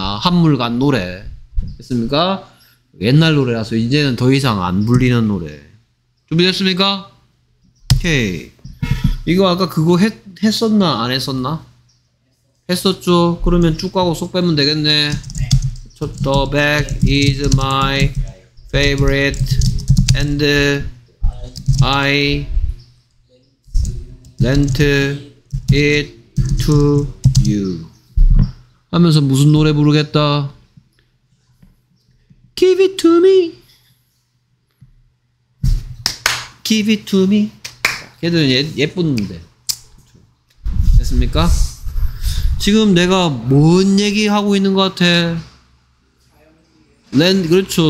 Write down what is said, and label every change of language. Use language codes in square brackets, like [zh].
[ko] 한물간 노래. 됐습니까? 옛날 노래라서 이제는 더 이상 안 불리는 노래. 준비됐습니까? 오케이. 이거 아까 그거 했었나 안 했었나? 했었죠. 그러면 쭉 가고 쏙 빼면 되겠네. 네. [en] The bag is my favorite and I lent it to you. [ko] 하면서 무슨 노래 부르겠다? [en] Give it to me. Give it to me. [ko] 걔들은 예쁜데. 됐습니까? 지금 내가 뭔 얘기 하고 있는 것 같아? 랜드, 그렇죠.